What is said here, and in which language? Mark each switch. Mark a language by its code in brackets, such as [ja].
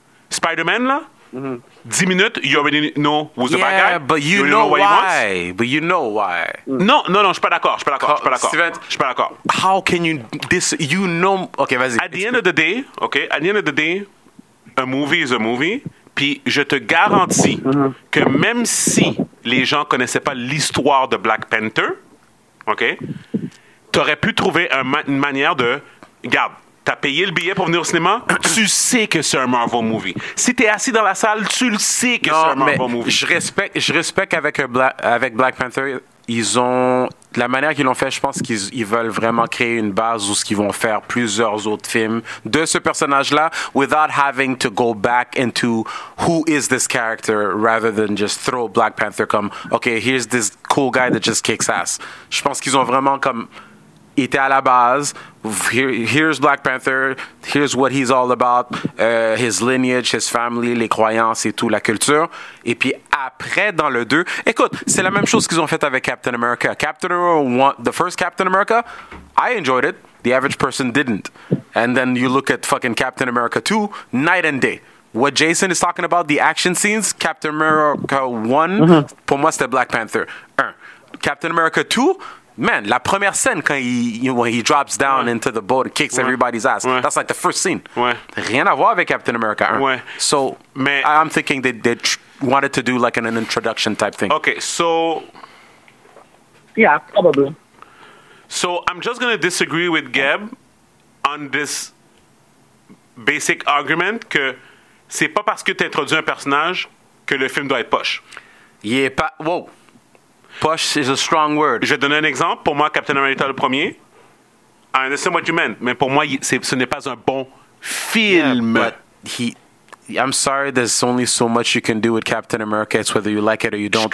[en] Spider-Man, là, 10 minutes, you already know who's the bad guy. Yeah, but you know why. But you know why. [fr] No, je suis pas d'accord. [en] How can you... you know... Okay, [fr] vas-y. [en] At the end of the day, a movie is a movie. [fr] Puis je te garantis que même si les gens connaissaient pas l'histoire de Black Panther, okay, t'aurais pu trouver une manière de... Garde. T'as payé le billet pour venir au cinéma, tu sais que c'est un Marvel movie. Si t'es assis dans la salle, tu le sais que c'est un Marvel movie. Je respecte avec Black Panther, ils ont... La manière qu'ils l'ont fait, je pense qu'ils veulent vraiment créer une base où ils vont faire plusieurs autres films de ce personnage-là [en] without having to go back into who is this character rather than just throw Black Panther comme, okay, here's this cool guy that just kicks ass. [fr] Je pense qu'ils ont vraiment comme... était à la base, [en] here's Black Panther, here's what he's all about, his lineage, his family, [fr] les croyances et tout, la culture. Et puis après, dans le 2, écoute, c'est la même chose qu'ils ont fait avec Captain America. [en] The first Captain America, I enjoyed it, the average person didn't. And then you look at fucking Captain America 2, night and day. What Jason is talking about, the action scenes, Captain America 1, [fr] pour moi c'était Black Panther 1. [en] Captain America 2, man, [fr] la première scène quand [en] he drops down into the boat and kicks everybody's ass. [fr] Ouais. [en] That's like the first scene. [fr] Ouais. Rien à voir avec Captain America. Hein? Ouais. [en] So, mais I'm thinking they wanted to do like an introduction type thing. Okay, so... Yeah, probably. So, I'm just going to disagree with Geb on this basic argument [fr] que c'est pas parce que tu introduis un personnage que le film doit être poche. Il est pas... [en] Wow! Push is a strong word. [fr] Je vais donner un exemple. Pour moi, Captain America le premier. [en] I understand what you meant. [fr] Mais pour moi, ce n'est pas un bon film. [en] Yeah, but I'm sorry, there's only so much you can do with Captain America. It's whether you like it or you don't.